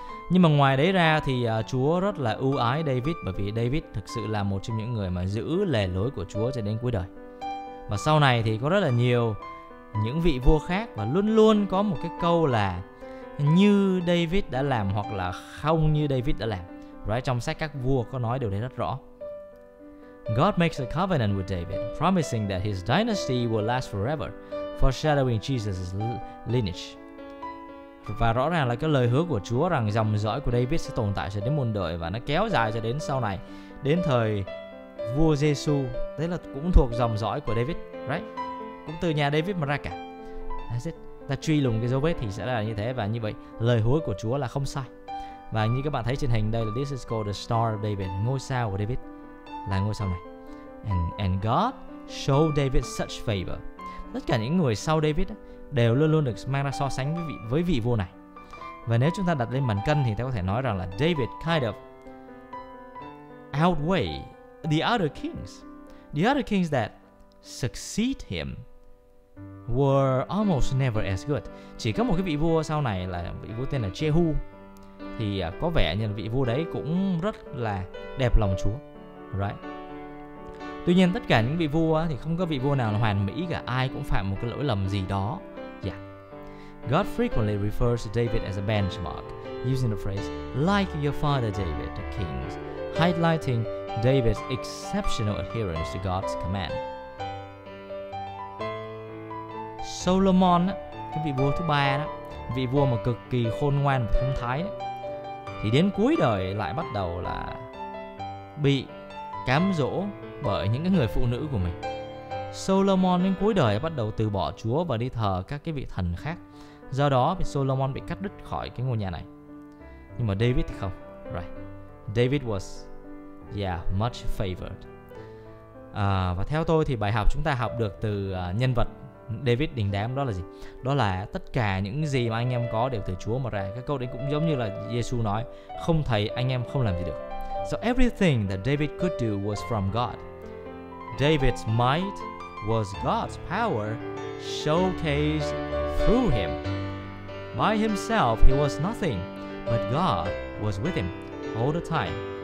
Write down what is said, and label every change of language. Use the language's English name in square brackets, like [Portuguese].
[Vietnamese] Nhưng mà ngoài đấy ra thì Chúa rất là ưu ái David, bởi vì David thực sự là một trong những người mà giữ lề lối của Chúa cho đến cuối đời. Và sau này thì có rất là nhiều những vị vua khác và luôn luôn có một cái câu là như David đã làm hoặc là không như David đã làm. Right? Trong sách các vua có nói điều đấy rất rõ. [English] God makes a covenant with David, promising that his dynasty will last forever, foreshadowing Jesus' lineage. [Vietnamese] Và rõ ràng là cái lời hứa của Chúa rằng dòng dõi của David sẽ tồn tại cho đến muôn đời và nó kéo dài cho đến sau này, đến thời vua Giê-xu, đấy là cũng thuộc dòng dõi của David, right? Cũng từ nhà David mà ra cả. Ta truy lùng cái dấu vết thì sẽ là như thế, và như vậy lời hứa của Chúa là không sai. Và như các bạn thấy trên hình đây là [English] This is called the Star of David, [Vietnamese] ngôi sao của David là ngôi sao này. [English] And God showed David such favor. [Vietnamese] Tất cả những người sau David đều luôn luôn được mang ra so sánh với vị vua này. Và nếu chúng ta đặt lên bàn cân thì ta có thể nói rằng là [English] David kind of outweighed the other kings. The other kings that succeed him were almost never as good. [Vietnamese] Chỉ có một cái vị vua sau này là vị vua tên là Jehu, thì có vẻ như vị vua đấy cũng rất là đẹp lòng Chúa. Right. Tuy nhiên tất cả những vị vua thì không có vị vua nào là hoàn mỹ cả, ai cũng phạm một cái lỗi lầm gì đó. Yeah. [English] God frequently refers to David as a benchmark, using the phrase like your father David, the king, highlighting David's exceptional adherence to God's command. [Vietnamese] Solomon, cái vị vua thứ ba đó, vị vua mà cực kỳ khôn ngoan và thông thái đó, thì đến cuối đời lại bắt đầu là bị cám dỗ bởi những cái người phụ nữ của mình. Solomon đến cuối đời bắt đầu từ bỏ Chúa và đi thờ các cái vị thần khác. Do đó thì Solomon bị cắt đứt khỏi cái ngôi nhà này. Nhưng mà David thì không. Right. [English] David was much favored. [Vietnamese] Và theo tôi thì bài học chúng ta học được từ nhân vật David đình đám đó là gì? Đó là tất cả những gì mà anh em có đều từ Chúa mà ra. Cái câu đấy cũng giống như là Giê-xu nói, không thầy anh em không làm gì được. [English] So everything that David could do was from God. David's might was God's power showcased through him. By himself, he was nothing, but God was with him all the time.